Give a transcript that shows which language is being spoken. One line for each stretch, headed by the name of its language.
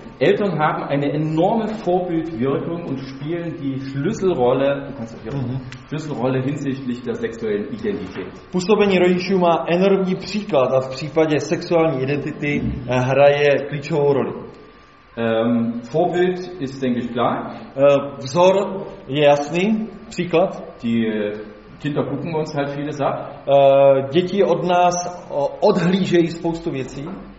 German: Eltern haben eine enorme Vorbildwirkung und spielen die Schlüsselrolle, Schlüsselrolle hinsichtlich der sexuellen Identität.
Czech: Působení rodičů má enormní příklad a v případě sexuální identity hraje klíčovou roli.
German: Vorbild ist, denke ich, klar.
Czech: Vzor je jasný, příklad.
German: Die Kinder gucken uns halt vieles ab.
Czech: Děti od nás odhlížejí spoustu věcí.